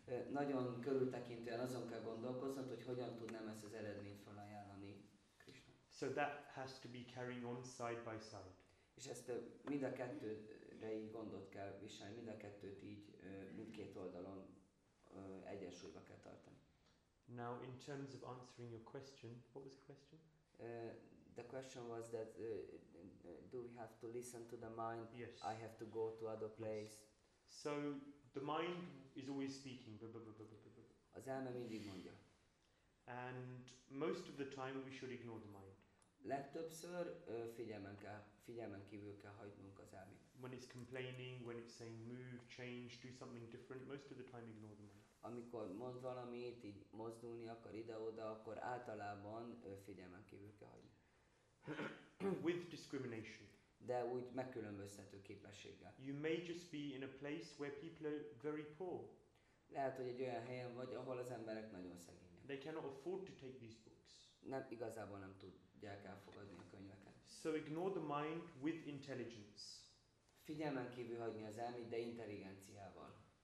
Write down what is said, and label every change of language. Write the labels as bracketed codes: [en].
[hu] Nagyon körültekintően azon kell gondolkoznod, hogy hogyan tudnám ezt az eredményt felajánlani Krishna. [en] So that has to be carrying on side by side. [hu] És ezt mind a kettőre így gondot kell viselni, mind a kettőt így mindkét oldalon egyensúlyba kell tartani. [en] Now in terms of answering your question, what was the question? The question was that do we have to listen to the mind? Yes. I have to go to other place. Yes. So the mind is always speaking. [hu] Az elme mindig mondja. [en] And most of the time we should ignore the mind. [hu] Legtöbbször figyelmen kívül kell hagynunk az elmét. [en] When it's complaining, when it's saying move, change, do something different, most of the time ignore the mind. [hu] Amikor mond valamit, így mozdulni akar ide-oda, akkor általában figyelmen kívül kell hagyni. [en] With discrimination. [hu] De úgy megkülönböztető képességgel. [en] You may just be in a place where people are very poor. [hu] Lehet, hogy egy olyan helyen vagy, ahol az emberek nagyon szegények. [en] They cannot afford to take these books. [hu] Nem, igazából nem tudják elfogadni a könyveket. [en] So ignore the mind with intelligence. [hu] Figyelmen kívül hagyni az elmét, de intelligenciával.